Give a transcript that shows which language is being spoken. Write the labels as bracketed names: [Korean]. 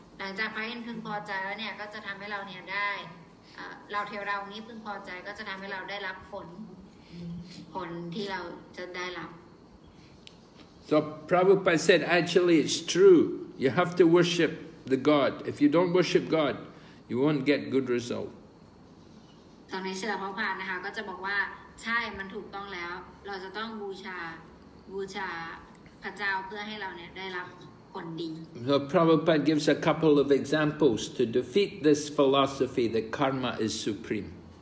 [Thai] หลังจากพระอินทร์พึงพอใจแล้วเนี่ยก็จะทำให้เราเนี่ยได้เราเทวดาองค์นี้พึงพอใจก็จะทำให้เราได้รับผลที่เราจะได้รับ [English] So Prabhupada said actually it's true you have to worship the God if you don't worship God you won't get good result [Thai] ตอนนี้ศิลปพานนะคะก็จะบอกว่าใช่มันถูกต้องแล้วเราจะต้องบูชาพระเจ้าเพื่อให้เราเนี่ยได้รับ [English] So Prabhupada gives a couple of examples to defeat this philosophy that karma is supreme.